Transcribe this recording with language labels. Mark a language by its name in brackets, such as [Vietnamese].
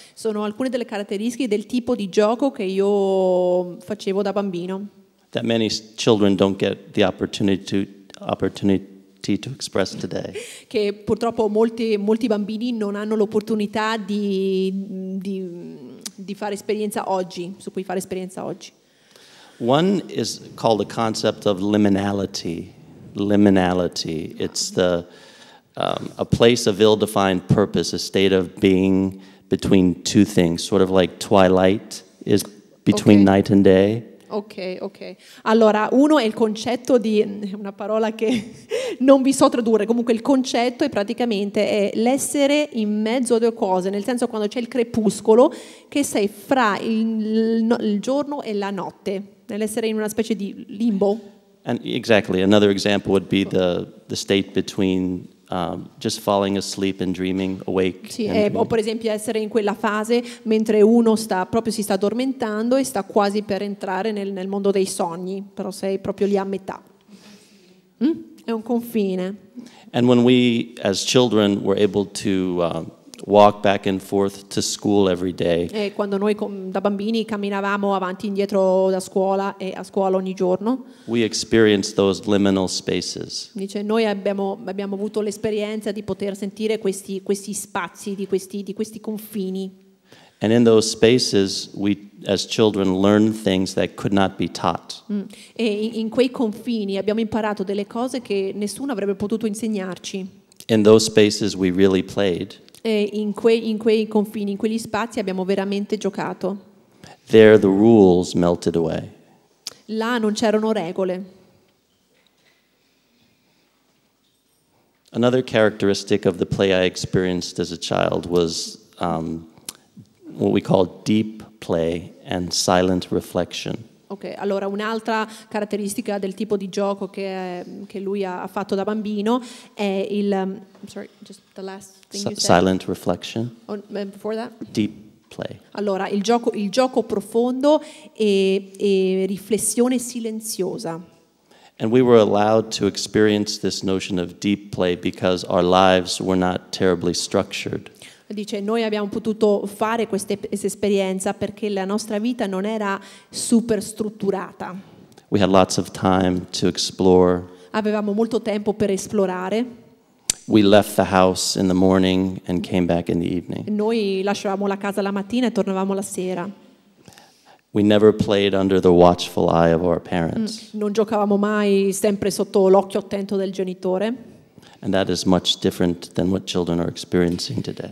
[Italian] Sono alcune delle caratteristiche del tipo di gioco che io facevo da bambino. [English] That many children don't get the opportunity to express today. [Italian] Che purtroppo molti bambini non hanno l'opportunità di fare esperienza oggi, su cui fare esperienza oggi. [English] One is called the concept of liminality. Liminality. It's the a place of ill-defined purpose, a state of being between two things, sort of like twilight is between okay. night and day. [Italian] Ok, ok. Allora, uno è il concetto di, una parola che non vi so tradurre, comunque il concetto è praticamente è l'essere in mezzo a due cose, nel senso quando c'è il crepuscolo, che sei fra il giorno e la notte, nell'essere in una specie di limbo. [English] And exactly, another example would be the state between just falling asleep and dreaming awake. [Italian] Sì, o per esempio essere in quella fase mentre uno sta proprio si sta addormentando e sta quasi per entrare nel mondo dei sogni, però sei proprio lì a metà. Mm? È un confine. [English] And when we as children were able to walk back and forth to school every day. [Italian] E quando noi da bambini camminavamo avanti e indietro da scuola e a scuola ogni giorno. [English] We experienced those liminal spaces. [Italian] Dice noi abbiamo avuto l'esperienza di poter sentire questi spazi di questi confini. [English] And in those spaces we as children learn things that could not be taught. [Italian] E in quei confini abbiamo imparato delle cose che nessuno avrebbe potuto insegnarci. [English] In those spaces we really played. [Italian] E in quei confini, in quegli spazi abbiamo veramente giocato. [English] There the rules melted away. [Italian] Là non c'erano regole. [English] Another characteristic of the play I experienced as a child was what we call deep play and silent reflection. [Italian] Ok, allora un'altra caratteristica del tipo di gioco che lui ha fatto da bambino è il [English] silent reflection. Before that? Deep play. [Italian] Allora, il gioco profondo e riflessione silenziosa. [English] And we were allowed to experience this notion of deep play because our lives were not terribly structured. [Italian] Dice, noi abbiamo potuto fare questa esperienza perché la nostra vita non era super strutturata. [English] We had lots of time to explore. [Italian] Avevamo molto tempo per esplorare. [English] We left the house in the morning and came back in the evening. [Italian] Noi lasciavamo la casa la mattina e tornavamo la sera. [English] We never played under the watchful eye of our parents. [Italian] Non giocavamo mai sempre sotto l'occhio attento del genitore. [English] And that is much different than what children are experiencing today.